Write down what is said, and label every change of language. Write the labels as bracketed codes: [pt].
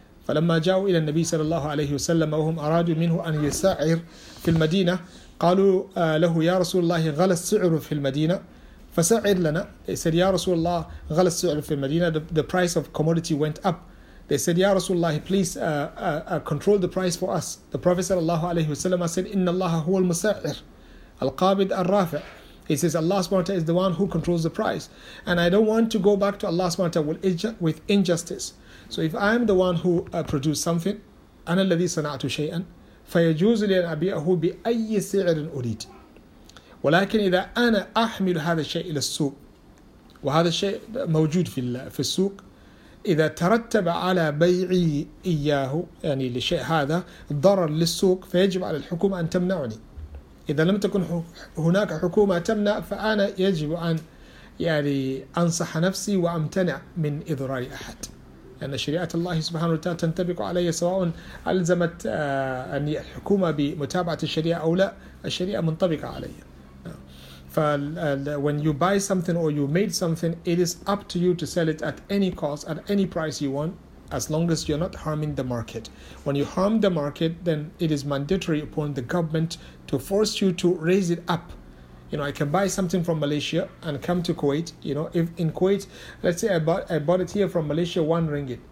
[ar] فلما جاءوا إلى النبي صلى الله عليه وسلم وهم أرادوا منه أن يسعر في المدينة، قالوا له: يا رسول الله، غلى السعر في المدينة فسعر لنا. [en] They said: [ar] يا رسول الله، غلى السعر في المدينة. [en] The price of commodity went up. They said: [ar] يا رسول الله، [en] please control the price for us. The Prophet [ar] صلى الله عليه وسلم [en] said: [ar] إن الله هو المسعر القابض الرافع. [en] He says: Allah subhanahu wa ta'ala is the one who controls the price. And I don't want to go back to Allah subhanahu wa ta'ala with injustice. So if I am the one who produced something, [ar] أنا الذي صنعت شيئا، فيجوز لي أن أبيعه بأي سعر أريد. ولكن إذا أنا أحمل هذا الشيء إلى السوق وهذا الشيء موجود في السوق، إذا ترتب على بيعي إياه، يعني لشيء هذا، ضرر للسوق، فيجب على الحكومة أن تمنعني. إذا لم تكن هناك حكومة تمنع، فأنا يجب أن يعني أنصح نفسي وأمتنع من إضرار أحد، لأن يعني شريعة الله سبحانه وتعالى تنطبق علي، سواء ألزمت أن الحكومة بمتابعة الشريعة أو لا، الشريعة منطبقة علي. [en] When you buy something or you made something, it is up to you to sell it at any cost, at any price you want, as long as you're not harming the market. When you harm the market, then it is mandatory upon the government to force you to raise it up. You know, I can buy something from Malaysia and come to Kuwait. You know, if in Kuwait, let's say I bought it here from Malaysia, 1 ringgit.